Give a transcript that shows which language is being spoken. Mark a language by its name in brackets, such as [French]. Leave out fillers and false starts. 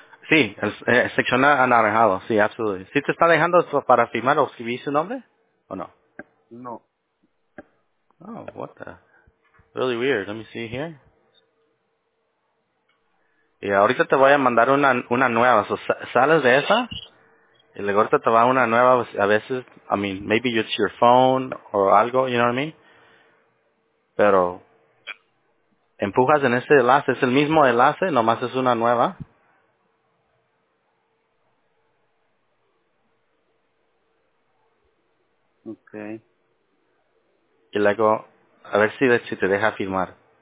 [Spanish] Sí, sección anaranjado. Sí, absolutamente. ¿Sí te está dejando para firmar o escribir su nombre? ¿O no? No. [English] Oh, what the... Really weird. Let me see here. [Spanish] Y ahorita te voy a mandar una nueva. So, sales de esa. Y luego ahorita te va una nueva. A veces, [English] I mean, maybe it's your phone or algo. You know what I mean? [Spanish] pero empujas en ese enlace, es el mismo enlace, nomás es una nueva. [English] Okay. [Spanish] Y luego, a ver si te deja firmar.